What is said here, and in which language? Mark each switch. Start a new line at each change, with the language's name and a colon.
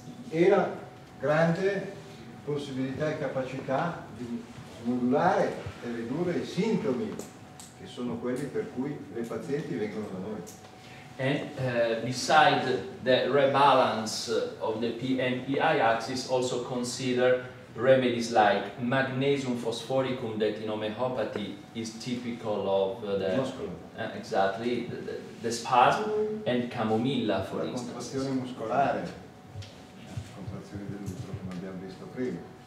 Italian: Era grande possibilità e capacità di modulare e ridurre i sintomi, che sono quelli per cui le pazienti vengono da noi.
English: And beside the rebalance of the PMPI axis, also consider remedies like magnesium phosphoricum that in homeopathy is typical of the muscular. Exactly, the spasm and camomilla, for instance.
Italian: Contrazione muscolare, contrazione dell'utero, come abbiamo visto prima.